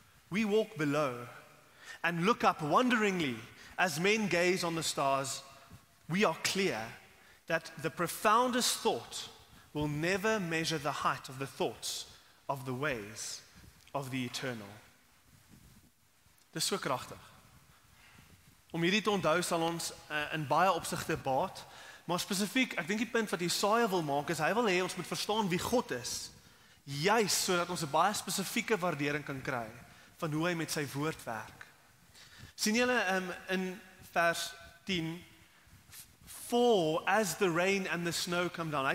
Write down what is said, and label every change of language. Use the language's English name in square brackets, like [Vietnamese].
[English] We walk below and look up wonderingly as men gaze on the stars. We are clear that the profoundest thought will never measure the height of the thoughts of the ways of the eternal. [Afrikaans] Dis so kragtig. Om hierdie te onthou sal ons in baie opsigte baat, maar spesifiek, ek dink die punt wat Jesaja wil maak is, hy wil hê ons moet verstaan wie God is, juist sodat ons 'n baie spesifieke waardering kan kry van hoe hy met sy woord werk. Sien julle in vers 10, [English] For as the rain and the snow come down.